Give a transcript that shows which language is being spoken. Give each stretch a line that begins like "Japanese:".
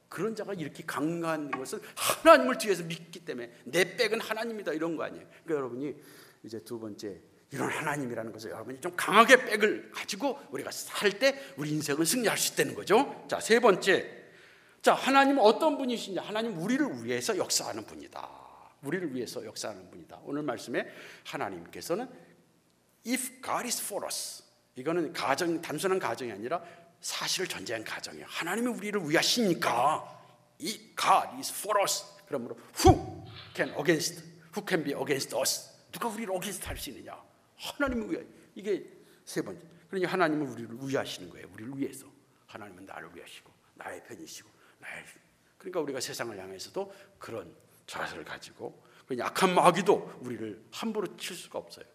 Korean: 그런 자가 이렇게 강한 것은 하나님을 뒤에서 믿기 때문에 내 백은 하나님이다 이런 거 아니에요. 그러니까 여러분이 이제 두 번째 이런 하나님이라는 것을 여러분이 좀 강하게 백을 가지고 우리가 살 때 우리 인생은 승리할 수 있다는 거죠. 자, 세 번째. 자, 하나님은 어떤 분이시냐. 하나님은 우리를 위해서 역사하는 분이다. 우리를 위해서 역사하는 분이다. 오늘 말씀에 하나님께서는
English: If God is for us.
Korean: 이거는 가정, 단순한 가정이 아니라 사실을 전제한 가정이에요. 하나님이 우리를 위하시니까
English: If God is for us.
Korean: 그러므로
English: Who can against? Who can be against us?
Korean: 누가 우리를 against 할 수 있느냐. 하나님을 위해. 이게 세 번째. 그러니 하나님은 우리를 위하시는 거예요. 우리를 위해서. 하나님은 나를 위하시고 나의 편이시고 나의 그러니까 우리가 세상을 향해서도 그런 자세를 가지고 그냥 악한 마귀도 우리를 함부로 칠 수가 없어요.